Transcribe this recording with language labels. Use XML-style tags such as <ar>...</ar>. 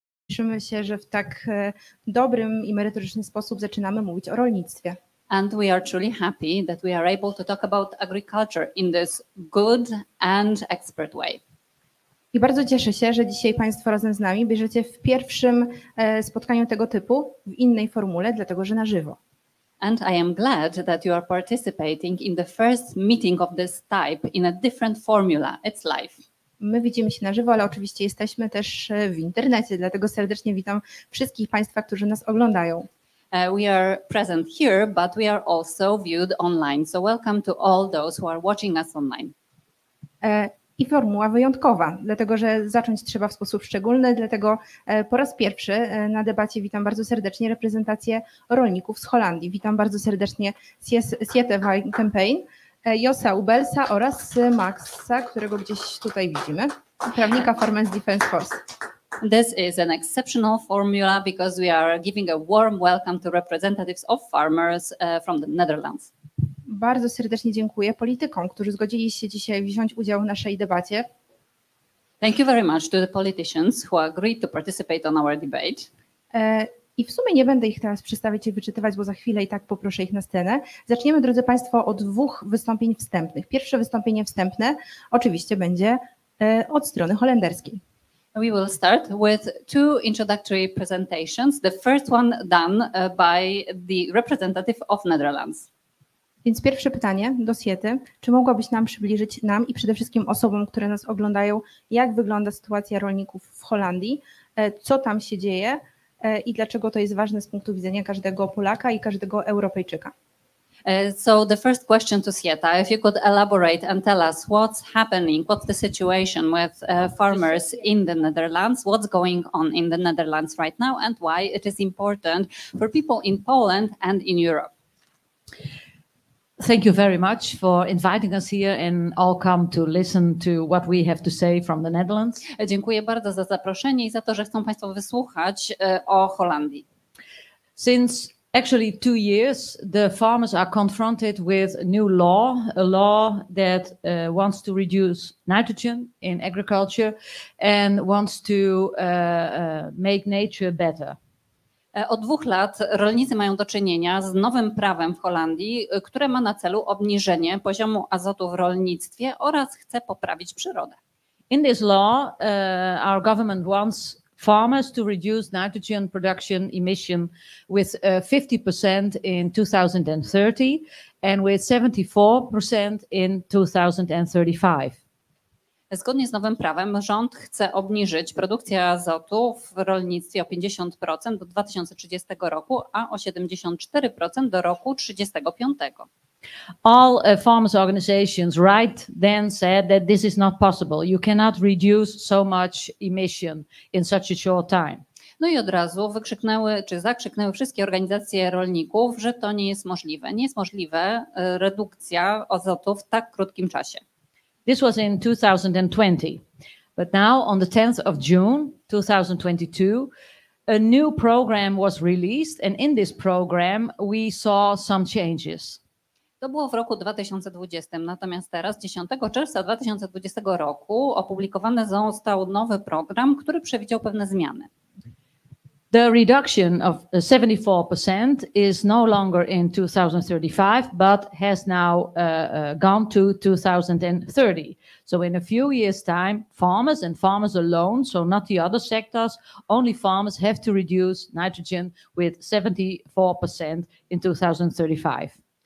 <pl>Cieszymy się, że w tak dobrym i merytoryczny sposób zaczynamy mówić o rolnictwie.</pl> <en>And we are truly happy that we are able to talk about agriculture in this good and expert way.</en> <pl>I bardzo cieszę się, że dzisiaj Państwo razem z nami bierzecie w pierwszym spotkaniu tego typu w innej formule, dlatego że na żywo.</pl> <en>And I am glad that you are participating in the first meeting of this type in a different formula. It's live.</en> <pl>My widzimy się na żywo, ale oczywiście jesteśmy też w internecie, dlatego serdecznie witam wszystkich Państwa, którzy nas oglądają.</pl> <en>We are present here, but we are also viewed online. So welcome to all those who are watching us online.</en> <pl>I formuła wyjątkowa, dlatego że zacząć trzeba w sposób szczególny, dlatego po raz pierwszy na debacie witam bardzo serdecznie reprezentację rolników z Holandii. Witam bardzo serdecznie Siete Wijn Campaign, Josa Ubelsa oraz Maxa, którego gdzieś tutaj widzimy, prawnika Farmers Defence Force.</pl> <en>This is an exceptional formula because we are giving a warm welcome to representatives of farmers from the Netherlands.</en> <pl>Bardzo serdecznie dziękuję politykom, którzy zgodzili się dzisiaj wziąć udział w naszej debacie.</pl> <en>Thank you very much to the politicians who agreed to participate on our debate.</en> <pl>I w sumie nie będę ich teraz przedstawiać i wyczytywać, bo za chwilę i tak poproszę ich na scenę. Zaczniemy, drodzy Państwo, od dwóch wystąpień wstępnych. Pierwsze wystąpienie wstępne oczywiście będzie od strony holenderskiej.</pl> <en>We will start with two introductory presentations. The first one done by the representative of Netherlands.</en> <pl>Więc pierwsze pytanie do Siety. Czy mogłabyś nam przybliżyć, nam i przede wszystkim osobom, które nas oglądają, jak wygląda sytuacja rolników w Holandii? Co tam się dzieje? I dlaczego to jest ważne z punktu widzenia każdego Polaka i każdego Europejczyka?</pl> <en>So the first question to Sieta, if you could elaborate and tell us what's happening, what's the situation with farmers in the Netherlands, what's going on in the Netherlands right now and why it is important for people in Poland and in Europe. Thank you very much for inviting us here and all come to listen to what we have to say from the Netherlands.</en> <pl>Dziękuję bardzo za zaproszenie i za to, że chcą Państwo wysłuchać o Holandii.</pl> <en>Since actually 2 years, the farmers are confronted with a new law, a law that wants to reduce nitrogen in agriculture and wants to make nature better.</en> <pl>Od 2 lat rolnicy mają do czynienia z nowym prawem w Holandii, które ma na celu obniżenie poziomu azotu w rolnictwie oraz chce poprawić przyrodę.</pl> <en>In this law, our government wants farmers to reduce nitrogen production emission with 50% in 2030 and with 74% in 2035.</en> <pl>Zgodnie z nowym prawem rząd chce obniżyć produkcję azotu w rolnictwie o 50% do 2030 roku, a o 74% do roku 35.</pl> <en>All farmers organizations right then said that this is not possible. You cannot reduce so much emission in such a short time.</en> <pl>No i od razu zakrzyknęły wszystkie organizacje rolników, że to nie jest możliwe. Nie jest możliwe redukcja azotu w tak krótkim czasie.</pl> <en>This was in 2020, but now on the 10th of June 2022, a new program was released, and in this program we saw some changes.</en> <pl>To było w roku 2020, natomiast teraz 10 czerwca 2020 roku opublikowany został nowy program, który przewidział pewne zmiany.</pl> <en>The reduction of 74% is no longer in 2035, but has now gone to 2030. So in a few years' time, farmers and farmers alone, so not the other sectors, only farmers have to reduce nitrogen with 74% in 2035.</en>